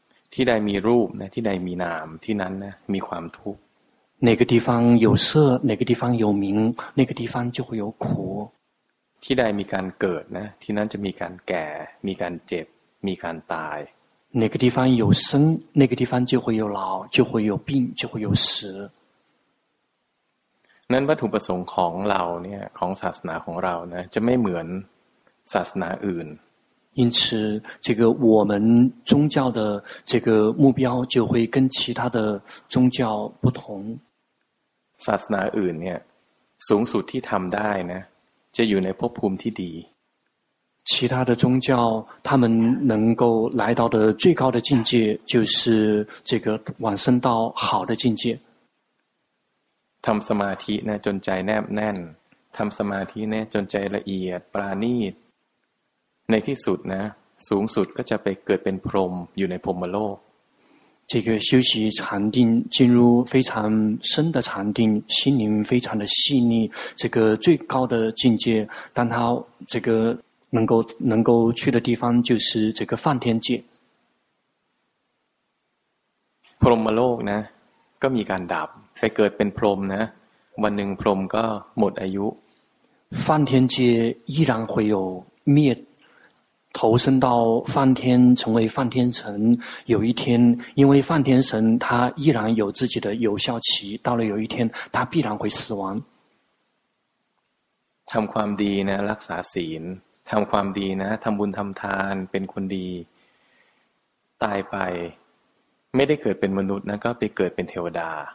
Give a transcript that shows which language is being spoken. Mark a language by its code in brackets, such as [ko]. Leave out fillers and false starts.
[th] ที่ใดมีรูปนะที่ใดมีนามที่นั้นนะมีความทุกข์ [zh] 哪个地方有色哪个地方有名那个地方就会有苦 [th] ที่ใดมีการเกิดนะที่นั้นจะมีการแก่มีการเจ็บมีการตาย [zh] 哪个地方有生那个地方就会有老就会有病就会有死 [th] นั้นวัตถุประสงค์ของเราเนี่ยของศาสนาของเรานะจะไม่เหมือนศาสนาอื่น [zh] 因此这个我们宗教的这个目标就会跟其他的宗教不同。 [th] ศาสนาอื่นเนี่ยสูงสุดที่ทำได้นะจะอยู่ในภพภูมิที่ดี [zh] 其他的宗教他们能够来到的最高的境界就是这个往生到好的境界 [th] ทำสมาธินะจนใจแนบแน่นทำสมาธินะจนใจละเอียดปราณีตในที่สุดนะสูงสุดก็จะไปเกิดเป็นพรหมอยู่ในพรหมโลก [zh] 这个修习禅定进入非常深的禅定心灵非常的细腻这个最高的境界当他这个能够去的地方就是这个梵天界 [th] พรหมโลกนะก็มีการดับไปเกิดเป็นพรหมนะวันหนึ่งพรหมก็หมดอายุ [zh] 梵天界依然会有灭投身到梵天成为梵天神有一天因为梵天神他依然有自己的有效期到了有一天他必然会死亡 [th] ทำความดีนะรักษาศีลทำความดีนะทำบุญทำทานเป็นคนดีตายไปไม่ได้เกิดเป็นมนุษย์นะก็ไปเกิดเป็นเทวดา